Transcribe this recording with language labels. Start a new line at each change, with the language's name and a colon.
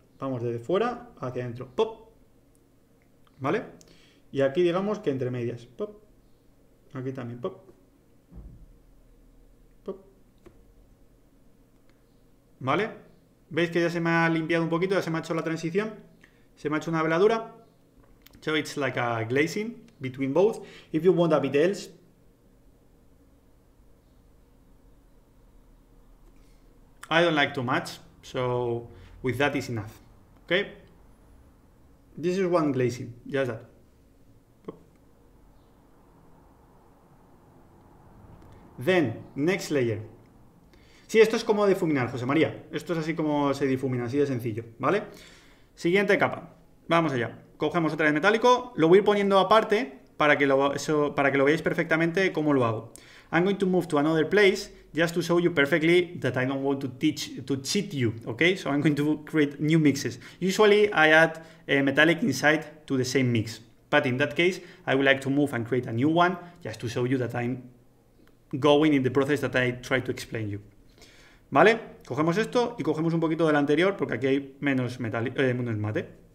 Spanish: Vamos desde fuera hacia adentro. ¡Pop! ¿Vale? Y aquí digamos que entre medias. ¡Pop! Aquí también. ¡Pop! ¿Vale? ¿Veis que ya se me ha limpiado un poquito? Ya se me ha hecho la transición. Se me ha hecho una veladura.
English: So it's like a glazing between both. If you want a bit else, I don't like too much, so with that is enough. Okay? This is one glazing, just that. Then, next layer.
Spanish: Sí, esto es como difuminar, José María. Esto es así como se difumina, así de sencillo, ¿vale? Siguiente capa. Vamos allá. Cogemos otra vez metálico, lo voy a ir poniendo aparte para que lo veáis perfectamente cómo lo hago.
English: I'm going to move to another place just to show you perfectly that I don't want to cheat you, okay? So I'm going to create new mixes. Usually I add metallic inside to the same mix, but in that case I would like to move and create a new one just to show you that I'm going in the process that I try to explain you.
Spanish: ¿Vale? Cogemos esto y cogemos un poquito del anterior porque aquí hay menos menos mate.